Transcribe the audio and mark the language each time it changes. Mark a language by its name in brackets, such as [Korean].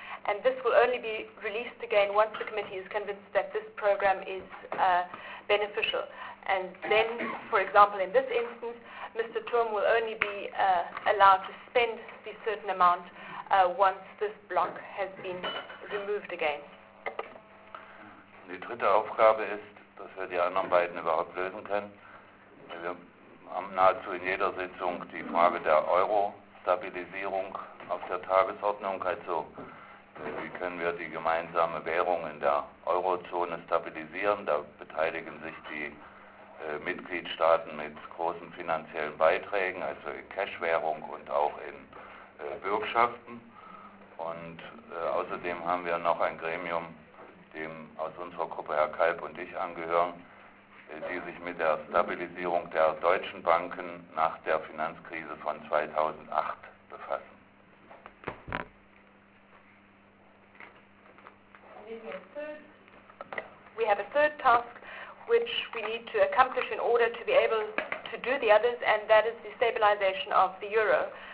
[English] And this will only be released again once the committee is convinced that this program is beneficial. And then, for example, in this instance, Mr. Turm will only be allowed to spend the certain amount once this block has been removed again. [German] Die dritte Aufgabe ist, dass wir die anderen beiden überhaupt lösen können. Wir haben nahezu in jeder Sitzung die Frage der Euro-Stabilisierung auf der Tagesordnung. Also, wie können wir die gemeinsame Währung in der Eurozone stabilisieren? Da beteiligen sich die Mitgliedstaaten mit großen finanziellen Beiträgen, also in Cash-Währung und auch in Bürgschaften. Und außerdem haben wir noch ein Gremium, dem aus unserer Gruppe Herr Kalb und ich angehören, die sich mit der Stabilisierung der deutschen Banken nach der Finanzkrise von 2008 befassen. [English] We have a third task which we need to accomplish in order to be able to do the others, and that is the stabilization of the euro.